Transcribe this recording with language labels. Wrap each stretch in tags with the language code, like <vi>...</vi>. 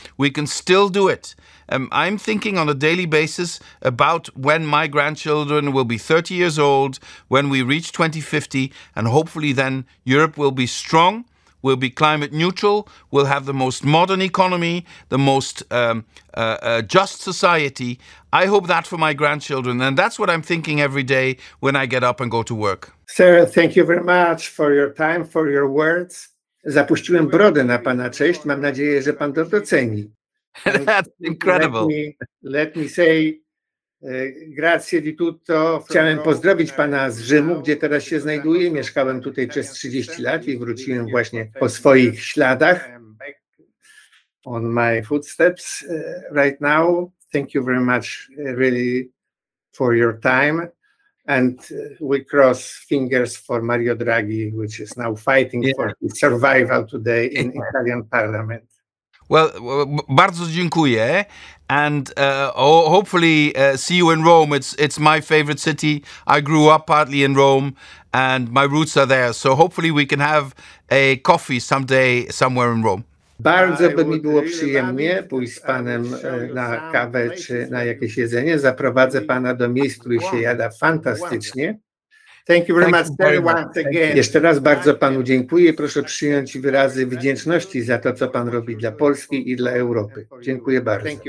<en>We can still do it. I'm thinking on a daily basis about when my grandchildren will be 30 years old, when we reach 2050, and hopefully then Europe will be strong, will be climate neutral, will have the most modern economy, the most just society. I hope that for my grandchildren. And that's what I'm thinking every day when I get up and go to work. Sarah, thank you very much for your time, for your words.</en> <pl>Zapuściłem brodę na pana cześć. Mam nadzieję, że pan to doceni.</pl> <en>That's incredible. Let me say</en> <it>grazie di tutto.</it> <pl>Chciałem pozdrowić pana z Rzymu, gdzie teraz się znajduję. Mieszkałem tutaj przez 30 lat i wróciłem właśnie po swoich śladach.</pl> <en>On my footsteps right now. Thank you very much, really, for your time. And we cross fingers for Mario Draghi, which is now fighting for his survival today in Italian parliament.</en> <pl>Well, bardzo dziękuję.</pl> <en>And hopefully see you in Rome. It's my favorite city. I grew up partly in Rome and my roots are there. So hopefully we can have a coffee someday somewhere in Rome.</en> <pl>Bardzo by mi było przyjemnie pójść z panem na kawę czy na jakieś jedzenie. Zaprowadzę pana do miejsc, w których się jada fantastycznie.</pl> <en>Thank you very much, Terry, once again.</en> <pl>Jeszcze raz bardzo panu dziękuję. Proszę przyjąć wyrazy wdzięczności za to, co pan robi dla Polski i dla Europy. Dziękuję bardzo.</pl>